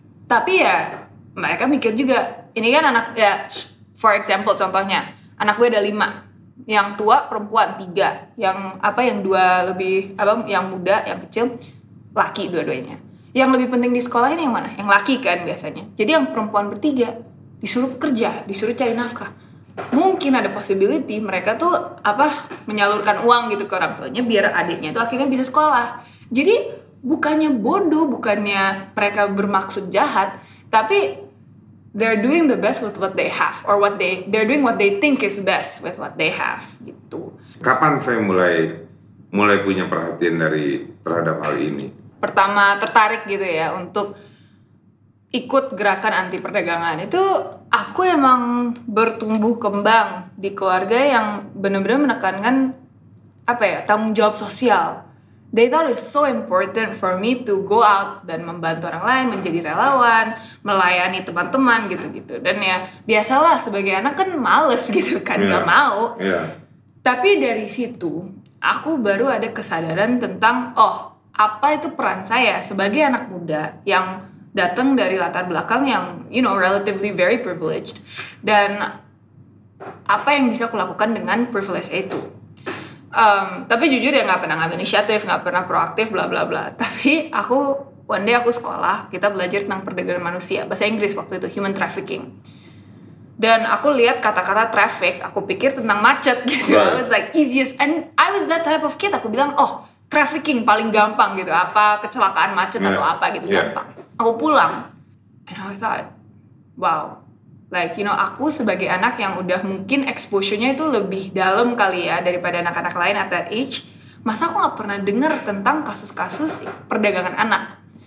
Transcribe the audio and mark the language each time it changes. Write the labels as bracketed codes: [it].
[id] Tapi ya mereka mikir juga, ini kan anak, ya for example contohnya, anak gue ada 5, yang tua perempuan 3, yang apa, yang 2 lebih apa, yang muda, yang kecil laki dua-duanya. Yang lebih penting di sekolah ini yang mana? Yang laki kan biasanya. Jadi yang perempuan bertiga disuruh kerja, disuruh cari nafkah. Mungkin ada possibility mereka tuh apa, menyalurkan uang gitu ke orang tuanya biar adiknya tuh akhirnya bisa sekolah. [en] Jadi bukannya bodoh, bukannya mereka bermaksud jahat, tapi they're doing the best with what they have, or what they're doing what they think is best with what they have gitu. [id] Kapan Faye mulai punya perhatian dari terhadap hal ini? Pertama tertarik gitu ya untuk ikut gerakan anti perdagangan itu. Aku emang bertumbuh kembang di keluarga yang benar-benar menekankan apa ya, tanggung jawab sosial. [en] They thought it's so important for me to go out dan membantu orang lain, menjadi relawan, melayani teman-teman gitu-gitu. [id] Dan ya biasalah sebagai anak kan males gitu kan, gak mau. Tapi dari situ aku baru ada kesadaran tentang, oh apa itu peran saya sebagai anak muda yang datang dari latar belakang yang, you know, relatively very privileged, dan apa yang bisa aku lakukan dengan privilege itu. Tapi jujur ya, nggak pernah ngambil inisiatif, nggak pernah proaktif, bla bla bla. Tapi aku, one day aku sekolah, kita belajar tentang perdagangan manusia, bahasa Inggris waktu itu, human trafficking. Dan aku lihat kata-kata traffic, aku pikir tentang macet gitu. [en] I was like easiest, and I was that type of kid. [id] Aku bilang, oh trafficking paling gampang gitu, apa kecelakaan macet atau apa gitu, gampang. Aku pulang, and I thought, wow, like, you know, aku sebagai anak yang udah mungkin exposure-nya itu lebih dalam kali ya daripada anak-anak lain at that age, masa aku gak pernah dengar tentang kasus-kasus perdagangan anak.